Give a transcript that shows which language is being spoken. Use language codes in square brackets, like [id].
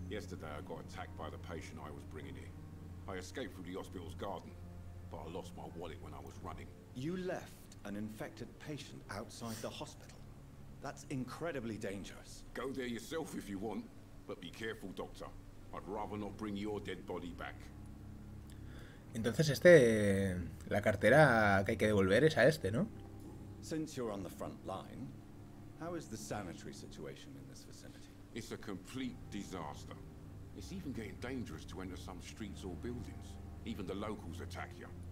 [en] Yesterday I got attacked by the patient I was bringing in. I escaped from the hospital's garden, but I lost my wallet when I was running. You left an infected patient outside the hospital. That's incredibly dangerous. Go there yourself if you want, but be careful, doctor. I'd rather not bring your dead body back. [es] Entonces este... la cartera que hay que devolver es a este, ¿no? [en] Since you're on the front line, how is the sanitary situation in this vicinity? It's a complete disaster. It's even getting dangerous to enter some streets or buildings. Even the locals attack you.